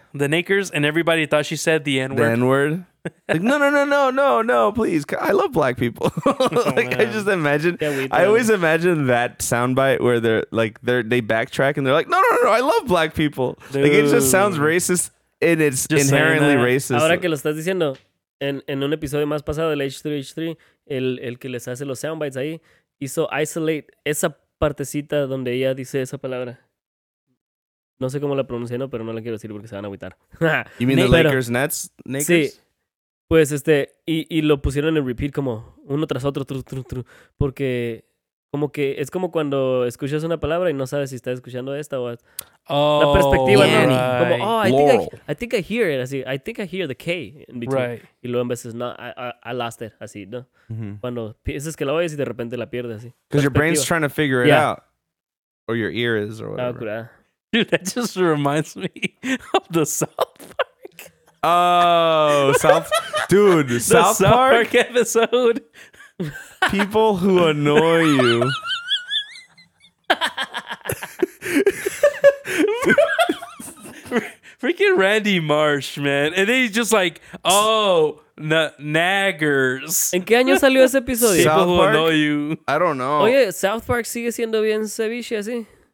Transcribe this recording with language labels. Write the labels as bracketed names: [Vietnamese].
[English] The Nakers, and everybody thought she said the N-word. The N-word? Like, no, please. I love black people. Like, oh, I just imagine, I always imagine that soundbite where they're like, they backtrack, and they're like, no, I love black people. Dude. Like, it just sounds racist, and it's just inherently racist. [Spanish] Ahora que lo estás diciendo, en un episodio más pasado del H3H3, el que les hace los soundbites ahí, hizo isolate esa partecita donde ella dice esa palabra. No sé cómo la pronuncié, ¿no? Pero no la quiero decir porque se van a agüitar. [English] You mean the Lakers, pero, Nets? Nakers? [Spanish] Sí. Pues este, y lo pusieron en repeat como uno tras otro, porque como que es como cuando escuchas una palabra y no sabes si estás escuchando esta o... [English] Oh, [Spanish] la perspectiva, [English] yeah, [Spanish] ¿no? [English] Right. Como, oh, I think I hear it, así. I think I hear the K in between. Right. [Spanish] Y luego en veces, no, [English] I lost it, [Spanish] así, ¿no? Mm-hmm. Cuando piensas que la oyes y de repente la pierdes, así. [English] Because your brain's trying to figure it out. Or your ear is, or whatever. [Spanish] Oh, cura. [English] Dude, that just reminds me of the South Park. Oh, South Park episode. People who annoy you. Freaking Randy Marsh, man. And then he's just like, oh, naggers. [Spanish] ¿En qué año salió ese episodio? [English] South People who Park? Annoy you. I don't know. [Spanish] Oye, South Park sigue siendo bien ceviche, así.